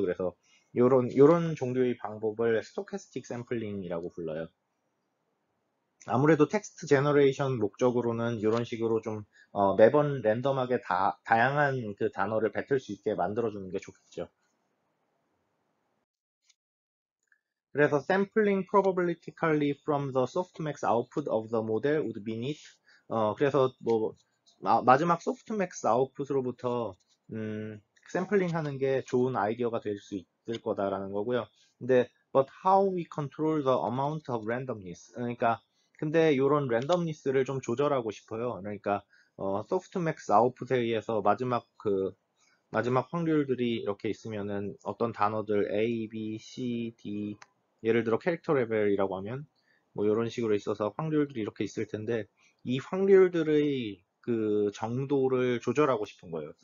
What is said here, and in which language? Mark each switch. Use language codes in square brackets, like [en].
[ko] 그래서 요런 종류의 방법을 스토캐스틱 샘플링이라고 불러요. 아무래도 텍스트 제너레이션 목적으로는 이런 식으로 좀, 매번 랜덤하게 다양한 그 단어를 뱉을 수 있게 만들어주는 게 좋겠죠. [en] 그래서 sampling probabilistically from the softmax output of the model would be neat. [ko] 그래서 뭐, 마지막 softmax 아웃풋으로부터, sampling 하는 게 좋은 아이디어가 될수 있을 거다라는 거고요. [en] 근데, but how we control the amount of randomness. [ko] 그러니까, 근데 요런 랜덤니스를 좀 조절하고 싶어요. 그러니까 소프트맥스 아웃풋에 의해서 마지막 확률들이 이렇게 있으면은 어떤 단어들 A, B, C, D 예를 들어 캐릭터 레벨이라고 하면 뭐 요런 식으로 있어서 확률들이 이렇게 있을 텐데 이 확률들의 그 정도를 조절하고 싶은 거예요.